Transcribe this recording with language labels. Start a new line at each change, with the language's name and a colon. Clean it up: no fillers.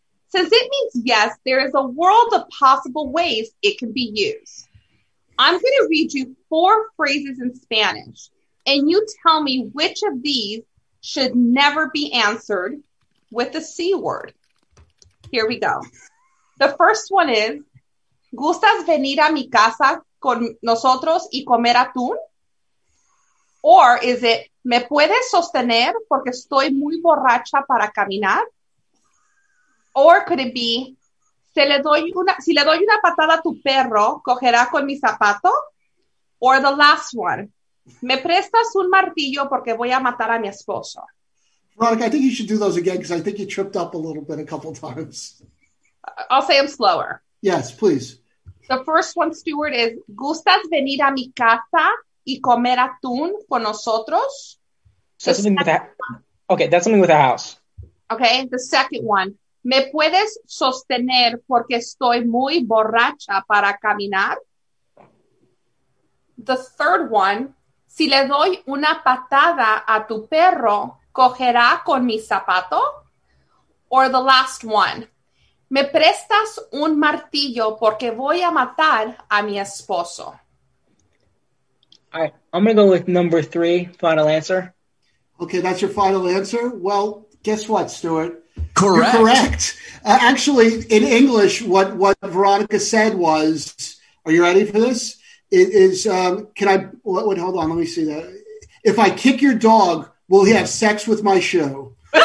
English: Since it means yes, there is a world of possible ways it can be used. I'm going to read you four phrases in Spanish, and you tell me which of these should never be answered with the C word. Here we go. The first one is,
Spanish: ¿Gustas venir a mi casa con nosotros y comer atún?
English: Or is it,
Spanish: ¿Me puedes sostener porque estoy muy borracha para caminar?
English: Or could it be,
Spanish: si le doy una patada a tu perro, ¿cogerá con mi zapato?
English: Or the last one,
Spanish: ¿Me prestas un martillo porque voy a matar a mi esposo?
English: Veronica, I think you should do those again because I think you tripped up a little bit a couple times. I'll say them slower. Yes, please. The first one, Stuart, is,
Spanish: ¿Gustas venir a mi casa y comer atún con nosotros?
English: That's something with a house. Okay, the second one.
Spanish: ¿Me puedes sostener porque estoy muy borracha para caminar?
English: The third one,
Spanish: si le doy una patada a tu perro, ¿cogerá con mi zapato?
English: Or the last one,
Spanish: ¿me prestas un martillo porque voy a matar a mi esposo?
English: All right, I'm going to go with number three, final answer. Okay, that's your final answer? Well, guess what, Stuart? Correct. You're correct. Actually, in English, what Veronica said was, are you ready for this? It is, hold on, let me see that. If I kick your dog, will he have sex with my shoe?